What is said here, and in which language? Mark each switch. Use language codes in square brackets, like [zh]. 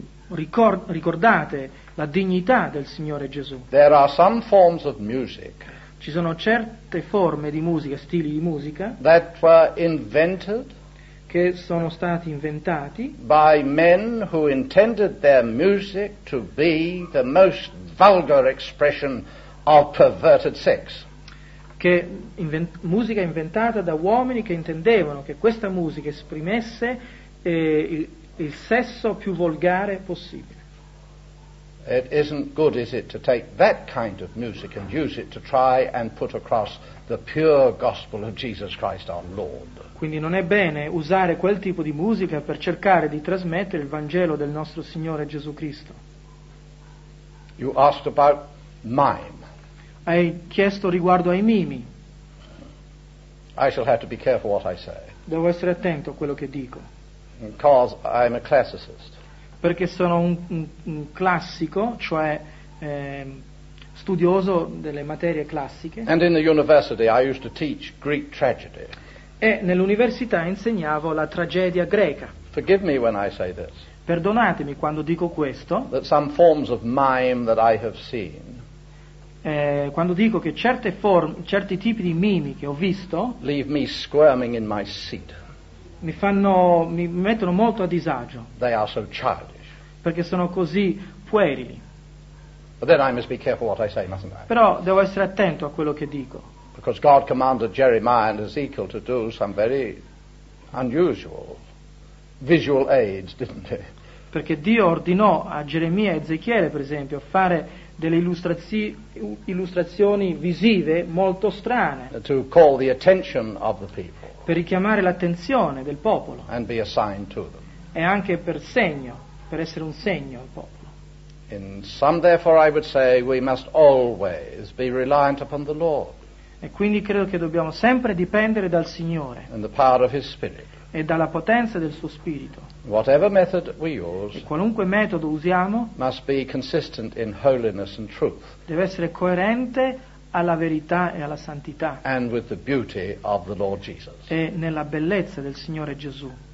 [it] Ricordate la dignità del Signore Gesù. [en] There are some forms of music. [it] Ci sono certe forme di musica, stili di musica. [en] That were invented. [it] Che sono stati inventati [en] by men who intended their music to be the most vulgar expression of perverted sex. [it] Che musica inventata da uomini che intendevano che questa musica esprimesse il sesso più volgare possibile. [en] It isn't good, is it, to take that kind of music and use it to try and put across the pure gospel of Jesus Christ our Lord. [it] Quindi non è bene usare quel tipo di musica per cercare di trasmettere il Vangelo del nostro Signore Gesù Cristo. [en] You asked about mime. [it] Hai chiesto riguardo ai mimi. [en] I shall have to be careful what I say. [it] Devo essere attento a quello che dico. [en] Because I'm a classicist. [it] Perché sono un classico, cioè studioso delle materie classiche. [en] And in the university I used to teach Greek tragedy. [it] E nell'università insegnavo la tragedia greca. [en] Forgive me when I say this. [it] Perdonatemi quando dico questo. [en] That some forms of mime that I have seen. [it] Quando dico che certe forme, certi tipi di mimi che ho visto, [en] leave me squirming in my seat. [it] Mi mettono molto a disagio. [en] They are so childish. [it] Perché sono così puerili. [en] But then I must be careful what I say, mustn't I? [it] Però devo essere attento a quello che dico. [en] Because God commanded Jeremiah and Ezekiel to do some very unusual visual aids, didn't he? [it] Perché Dio ordinò a Geremia e Ezechiele, per esempio, fare delle illustrazioni visive molto strane. [en] To call the attention of the people. [it] Per richiamare l'attenzione del popolo. [en] And be a sign to them. [it] E anche per segno, per essere un segno al popolo. [en] In sum, therefore, I would say we must always be reliant upon the Lord. [it] E quindi credo che dobbiamo sempre dipendere dal Signore. [en] And the power of His Spirit. [it] E dalla potenza del suo spirito. [en] Whatever method we use, [it] e qualunque metodo usiamo, [en] must be consistent in holiness and truth. [it] Deve essere coerente alla verità e alla santità. [en] And with the beauty of the Lord Jesus. [it] E nella bellezza del Signore Gesù.